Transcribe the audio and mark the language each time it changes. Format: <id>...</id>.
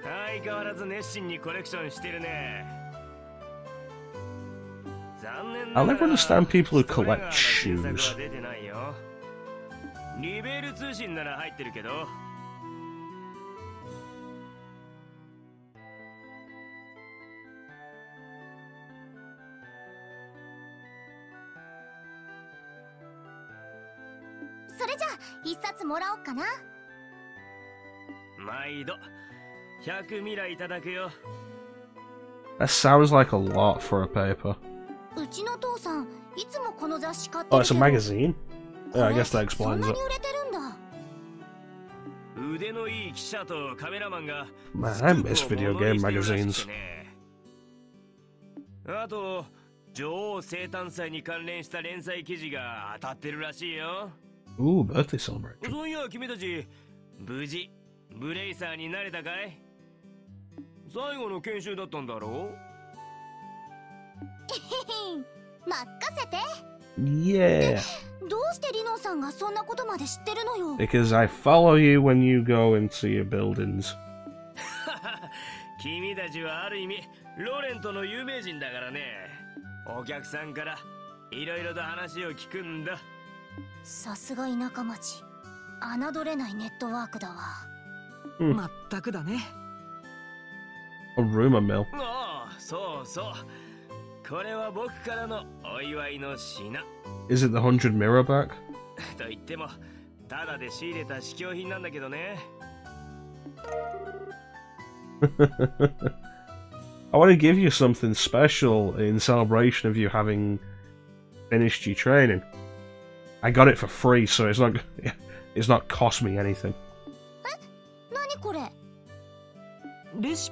<ja>相変わらず熱心にコレクションしてるね。残念ながら、</ja> <en>I never understand people who collect shoes.</en> <ja>出てないよ。リベール通信なら入ってるけど。それじゃ、一冊もらおうかな。毎度、100ミラいただくよ。</ja> <en>That sounds like a lot for a paper.</en> <ja>うちの父さん、いつもこの雑誌買ってる。</ja> <en>Oh, it's a magazine? Yeah, I guess that explains it.</en> <ja>そんなに売れてるんだ。腕のいい記者とカメラマンが、</ja> <en>Man, I miss video game magazines.</en> <ja>あと、女王生誕祭に関連した連載記事が当たってるらしいよ。</ja> <en>Ooh, birthday celebration.</en> <ja>そういや、君たち、無事、ブレイサーになれたかい？最後の研修だったんだろう？任せて。</ja> <en>Yeah.</en> <ja>どうしてリノさんがそんなことまで知ってるのよ？</ja> <en>Because I follow you when you go into your buildings.</en> <ja>君たちはある意味、ロレントの有名人だからね。お客さんから、いろいろと話を聞くんだ。さすが田舎町、侮れないネットワークだわ。まったくだね。</ja> <en>A rumor mill.</en> <ja>ああ、そうそう。これは僕からのお祝いの品。</ja> <en>Is it the 100 mirror back?</en> <ja>と言っても、ただで仕入れた試供品なんだけどね。</ja> <en>I want to give you something special in celebration of you having finished your training. I got it for free, so it's not cost me anything. What? What's this?</en>